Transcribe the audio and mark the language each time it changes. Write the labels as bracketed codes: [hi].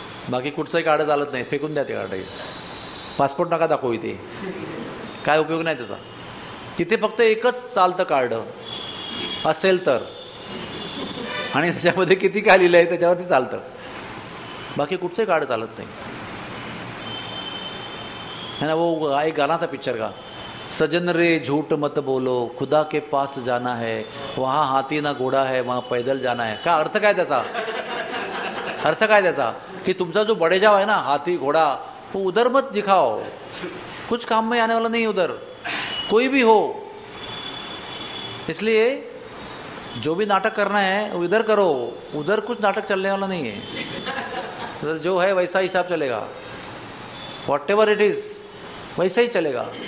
[mr] बाकी कुठचंही कार्ड चालत नाही, फेकून द्या ते कार्ड. पासपोर्ट नका दाखवू इथे, काय उपयोग नाही त्याचा. तिथे फक्त एकच चालतं कार्ड असेल तर, आणि त्याच्यामध्ये किती काय लिहिलं आहे त्याच्यावरती चालतं, बाकी कुठचंही कार्ड चालत नाही. [hi] है ना, वो एक गाना था पिक्चर का, सजन रे झूठ मत बोलो, खुदा के पास जाना है, वहाँ हाथी ना घोड़ा है, वहाँ पैदल जाना है. [mr] का अर्थ काय त्याचा, अर्थ काय त्याचा? कि तुमचा जो बडेजाव आहे ना, [hi] हाथी घोड़ा, वो उधर मत दिखाओ, कुछ काम में आने वाला नहीं उधर, कोई भी हो. इसलिए जो भी नाटक करना है इधर करो, उधर कुछ नाटक चलने वाला नहीं है, उधर जो है वैसा हिसाब चलेगा, [en] whatever it is [hi] वैसा ही चलेगा.